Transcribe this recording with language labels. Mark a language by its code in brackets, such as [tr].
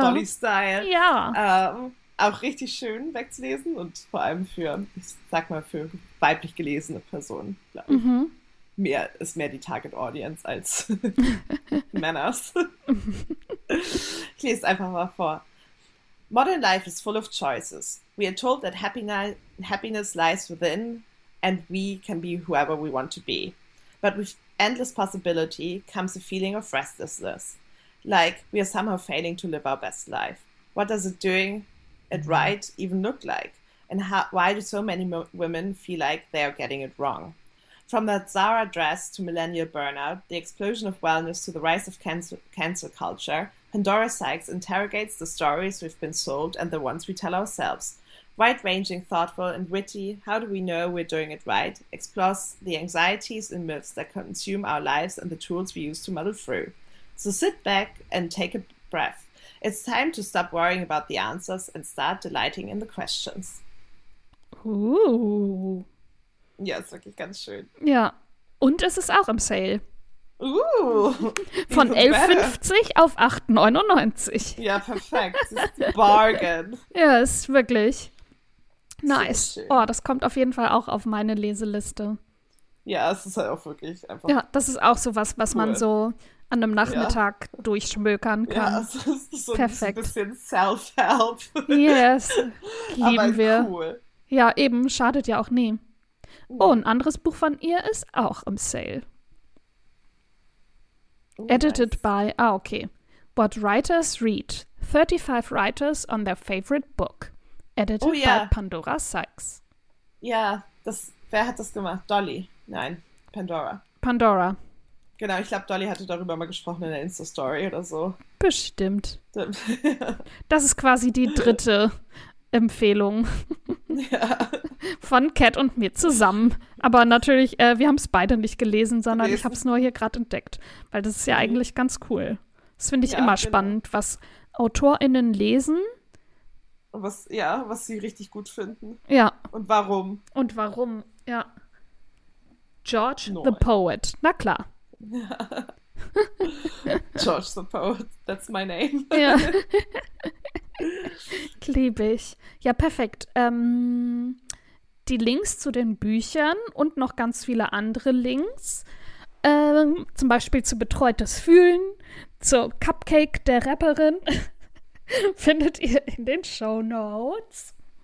[de] Dolly-Style. Ja. Auch richtig schön wegzulesen und vor allem für, ich sag mal, für weiblich gelesene Personen, glaube ich. Mhm. Mehr ist mehr die Target Audience als Männers. Ich lese einfach mal vor. [en] Modern life is full of choices. We are told that happiness lies within and we can be whoever we want to be. But with endless possibility comes a feeling of restlessness. Like we are somehow failing to live our best life. What does it doing? It right even look like? And why do so many women feel like they are getting it wrong? From that Zara dress to millennial burnout, the explosion of wellness to the rise of cancel culture, Pandora Sykes interrogates the stories we've been sold and the ones we tell ourselves. Wide-ranging, thoughtful and witty, How Do We Know We're Doing It Right? Explores the anxieties and myths that consume our lives and the tools we use to muddle through. So sit back and take a breath. It's time to stop worrying about the answers and start delighting in the questions. Ooh. [de] Ja, ist wirklich ganz schön. Ja. Und es ist auch im Sale. Ooh. Von 11,50 auf 8,99. Ja, perfekt. Das ist ein Bargain. Ja, ist wirklich nice. So schön. Oh, das kommt auf jeden Fall auch auf meine Leseliste. Ja, es ist halt auch wirklich einfach. Ja, das ist auch sowas, was cool. Man so an einem Nachmittag durchschmökern kann. Ja, so perfekt. Ein bisschen Self-Help. Yes, lieben aber wir. Cool. Ja, eben, schadet ja auch nie. Oh, ein anderes Buch von ihr ist auch im Sale. [en] Oh, edited nice. By, okay. What Writers Read. 35 Writers on Their Favorite Book. Edited by Pandora Sykes. [de] Ja, wer hat das gemacht? Dolly? Nein, Pandora. Pandora. Genau, ich glaube, Dolly hatte darüber mal gesprochen in der Insta-Story oder so. Bestimmt. Das ist quasi die dritte Empfehlung von Kat und mir zusammen. Aber natürlich, wir haben es beide nicht gelesen, sondern ich habe es nur hier gerade entdeckt. Weil das ist ja eigentlich ganz cool. Das finde ich immer spannend, was AutorInnen lesen. Was sie richtig gut finden. Ja. Und warum. Und warum, ja. George the Poet, na klar. [en] George the Poet, that's my name. [de] Ja. Liebe ich. Ja, perfekt. Die Links zu den Büchern und noch ganz viele andere Links, zum Beispiel zu Betreutes Fühlen, zu Cupcake der Rapperin, findet ihr in den Shownotes.